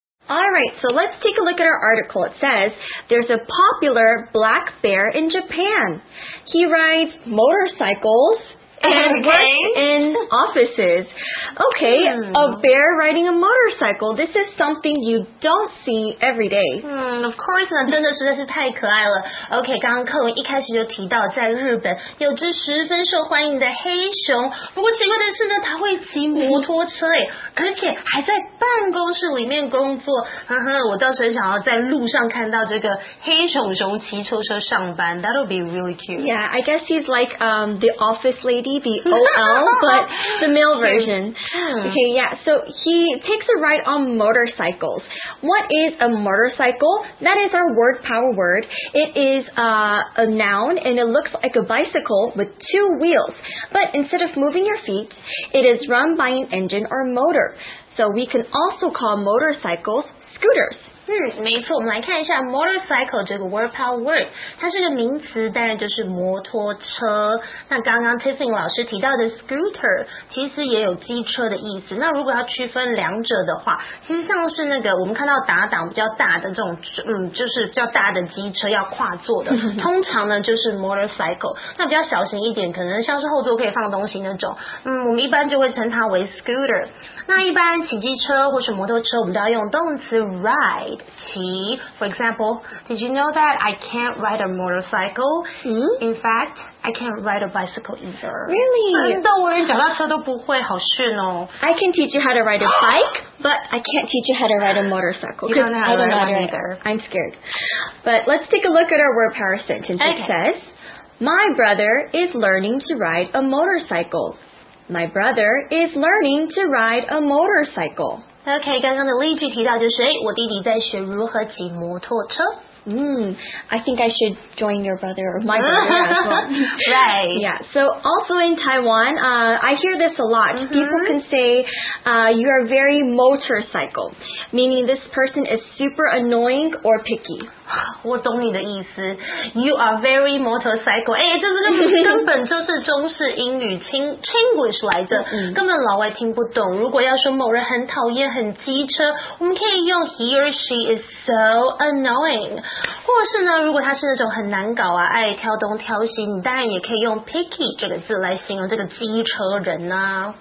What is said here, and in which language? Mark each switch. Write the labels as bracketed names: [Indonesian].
[English] Alright, so let's take a look at our article. It says, there's a popular black bear in Japan. He rides motorcycles and works in offices. Okay, a bear riding a motorcycle. This is something you don't see every day. Of course, [Chinese] 真的实在是太可爱了。Okay, 刚刚课文一开始就提到在日本有只十分受欢迎的黑熊。不过奇怪的是呢它会骑摩托车耶。而且还在办公室里面工作，呵呵，我倒是想要在路上看到这个黑熊熊骑车车上班。 [English] That'll be really cute. Yeah, I guess he's like the office lady, the OL, but the male version. Okay, yeah. So he takes a ride on motorcycles. What is a motorcycle? That is our word power word. It is a noun, and it looks like a bicycle with two wheels. But instead of moving your feet, it is run by an engine or motor. So we can also call motorcycles scooters. [Chinese] 没错，我们来看一下 motorcycle 这个 word power word， 它是个名词，当然就是摩托车。那刚刚 Tiffany 老师提到的 scooter， 其实也有机车的意思。那如果要区分两者的话，其实像是那个我们看到打挡比较大的这种，就是比较大的机车要跨坐的，通常呢就是 motorcycle。那比较小型一点，可能像是后座可以放东西那种，我们一般就会称它为 scooter。那一般骑机车或是摩托车，我们都要用动词 ride。 [English] For example, did you know that I can't ride a motorcycle? In fact, I can't ride a bicycle either. Really? [Chinese] 但我连脚踏车都不会，好炫哦！ [English] I can teach you how to ride a bike, but I can't teach you how to ride a motorcycle. You don't know how to ride one either. I'm scared. But let's take a look at our word power sentence. It says, My brother is learning to ride a motorcycle. My brother is learning to ride a motorcycle. [Chinese] OK, 刚刚的例句提到就是我弟弟在学如何骑摩托车。 [English] I think I should join your brother or my brother as well. Right. Yeah. So also in Taiwan, I hear this a lot. Mm-hmm. People can say, you are very motorcycle, meaning this person is super annoying or picky. [Chinese] 我懂你的意思。 [English] You are very motorcycle. [Chinese] 哎，这个根本就是中式英语 Chinglish 来着，根本老外听不懂。如果要说某人很讨厌、很机车，我们可以用 [English] he or she is so annoying。 [Chinese] 或是呢，如果他是那种很难搞啊，爱挑东挑西，你当然也可以用 picky 这个字来形容这个机车人啊。